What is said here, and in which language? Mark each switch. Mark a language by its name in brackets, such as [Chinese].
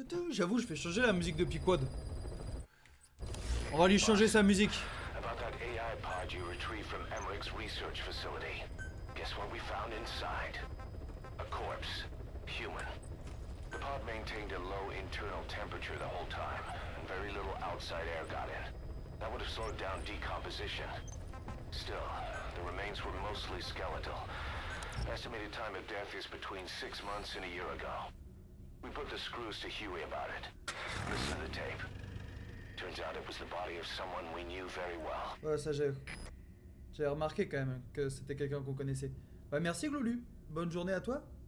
[French] J'avoue, je vais changer la musique de Pequod. On va lui changer sa musique. [English] About that AI pod you retrieved from Emmerich's research facility. Guess what we found inside? A corpse. Human. The pod maintained a low internal temperature the whole time. Very little outside air got in. That would have slowed down decomposition. Still, the remains were mostly skeletal. Estimated time of death is between 6 months and a year ago. We put the screws to Huey about it. Listen to the tape. Turns out it was the body of someone we knew very well. [French] Ouais, ça j'ai remarqué quand même que c'était quelqu'un qu'on connaissait. Bah merci Glolu. Bonne journée à toi.